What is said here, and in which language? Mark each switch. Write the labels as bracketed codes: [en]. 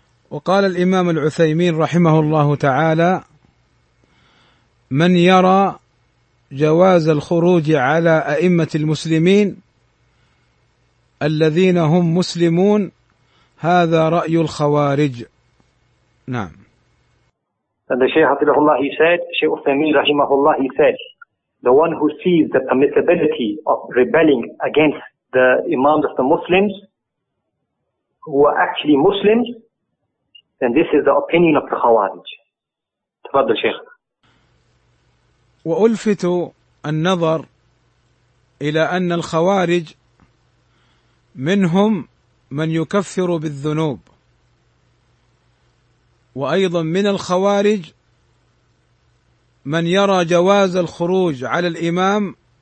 [ar] وقال الإمام العثيمين رحمه الله تعالى: من يرى جواز الخروج على أئمة المسلمين الذين هم مسلمون هذا رأي الخوارج. نعم. [en] And the Shaykh [ar] رحمه الله [en] he said, Shaykh Uthaymeen رحمه الله he said, the one who sees the permissibility of rebelling against the imams of the Muslims who are actually Muslims, then this is the opinion of the Khawarij. [ar] Tafadhal Shaykh. وألفت النظر إلى أن الخوارج منهم من يكفر بالذنوب، وأيضا من الخوارج من يرى جواز الخروج على الإمام